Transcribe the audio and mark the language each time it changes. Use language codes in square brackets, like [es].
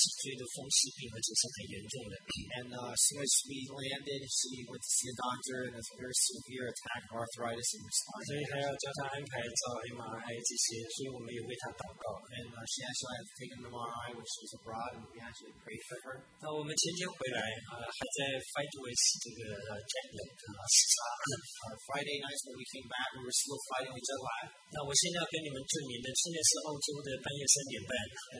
[zh] 她一上飞机就赶快去看医生，结果医生初步检查说她是脊椎的风湿病，而且是很严重的。 [en] And as soon as we landed, she went to see a doctor and has a very severe attack of arthritis in her spine. [zh] 所以还要叫她安排照 MRI 这些，所以我们也为她祷告。 [en] And she actually had to take an MRI when she was abroad, and we actually prayed for her. [zh] 那我们前天回来, 还在 [en] fight with [zh] 这个 [en] jet lag, [zh] 时差。 [en] Friday night when we came back, we were still fighting with jet lag. [zh] 那我现在要跟你们证明的，现在是澳洲的半夜3:30。